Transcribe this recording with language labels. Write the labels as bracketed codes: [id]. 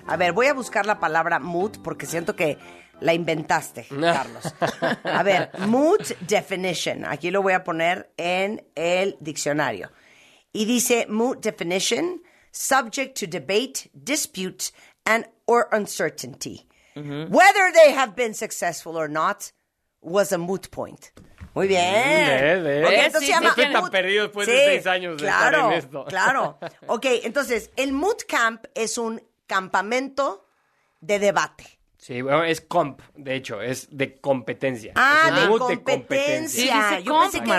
[es] A ver, voy a buscar la palabra moot porque siento que la inventaste, Carlos. A ver, moot definition. Aquí lo voy a poner en el diccionario. Y dice [en] moot definition, subject to debate, dispute, and or uncertainty. Uh-huh. Whether they have been successful or not was a moot point. [es] Muy bien. Perdido después de 6 años claro, de estar en esto. Claro. Ok, entonces, el moot camp es un campamento de debate. Sí, bueno, es comp, de hecho, es de competencia. Ah, es de competencia. Sí, dice yo comp, pensé Marta.